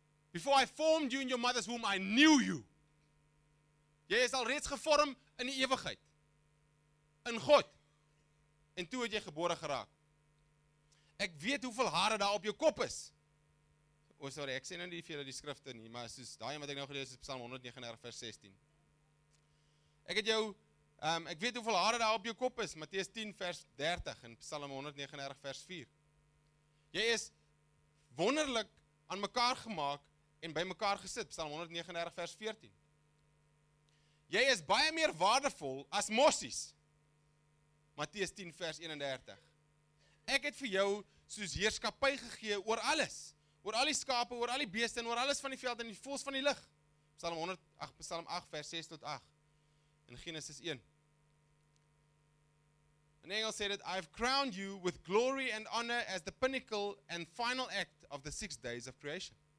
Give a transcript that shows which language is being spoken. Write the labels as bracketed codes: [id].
[en] Before I formed you in your mother's womb, I knew you. [af] Jy is alreeds gevorm in die ewigheid. In God. En toe het jy gebore geraak. Ek weet hoeveel hare daar op jou kop is. O, oh, sorry, ek sê nou nie vir julle die skrifte nie, maar soos daai wat ek nou gelees is Psalm 139 vers 16. Ek het jou ek weet hoeveel hare daar op jou kop is, Matteus 10 vers 30 en Psalm 139 vers 4. Jy is wonderlik aan mekaar gemaak en by mekaar gesit, Psalm 139 vers 14. Jy is baie meer waardevol as mossies, Matteus 10 vers 31. Ek het vir jou soos heerskappy gegee oor alles, oor al die skape, oor al die beeste en oor alles van die veld en die vos van die lig, Psalm 8 vers 6 tot 8. In Genesis 1. In Engels sê dit, [en] I have crowned you with glory and honor as the pinnacle and final act of the 6 days of creation.